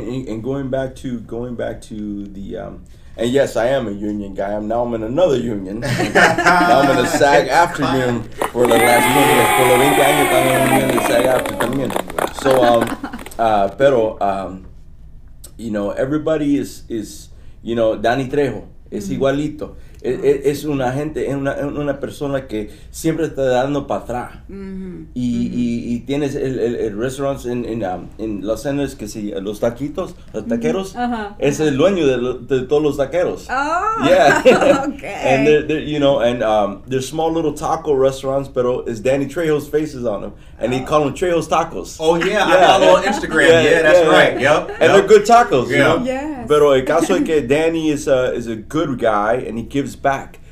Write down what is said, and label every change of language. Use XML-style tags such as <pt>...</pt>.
<en>And going back to the and yes, I am a union guy. Now I'm in another union. Now I'm in a SAG after union for the last movie. For the week, I'm in the SAG after union. So, you know, everybody is you know, Danny Trejo es mm-hmm.</en> <es>igualito. Es una gente, una persona que siempre está dando para atrás. Mm-hmm. Y, mm-hmm. y tienes el restaurant en Los Angeles que se llama Los Taquitos, Los Taqueros. Mm-hmm. Uh-huh. Es el dueño de todos los taqueros. Oh, yeah. Okay.</es> <en>And they're, you know, and they're small little taco restaurants,</en> <es>pero es</es> <en>Danny Trejo's faces on them. And he call them Trejo's Tacos. Oh, yeah. Yeah. I follow on Instagram. Yeah, yeah, that's yeah, right. Yeah. Yep. And they're good tacos. Yeah. You know? Yes.</en> <es>Pero el caso es que</es> <en>Danny is a good guy, and he gives back.</en>